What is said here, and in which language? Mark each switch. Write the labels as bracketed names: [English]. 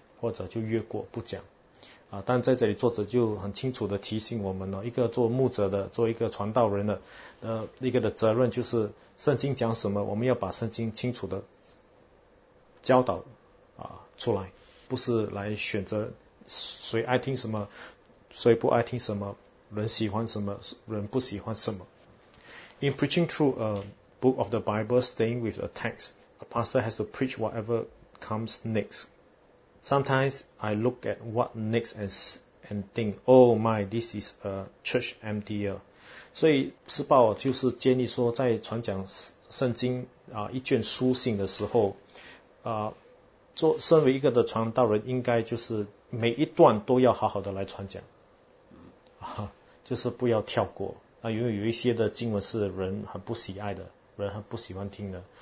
[Chinese] 或者就越过不讲但在这里作者就很清楚的提醒我们一个做牧者的做一个传道人的一个的责任就是圣经讲什么我们要把圣经清楚的教导出来不是来选择谁爱听什么，谁不爱听什么，人喜欢什么，人不喜欢什么。 [English] In preaching through a book of the Bible, staying with a text, a pastor has to preach whatever comes next. Sometimes I look at what next and think, oh my, this is a church emptier. [Chinese] 所以施鲍尔就是建议说，在传讲圣经啊一卷书信的时候，啊，做身为一个的传道人，应该就是每一段都要好好的来传讲，啊，就是不要跳过啊，因为有一些的经文是人很不喜爱的，人很不喜欢听的。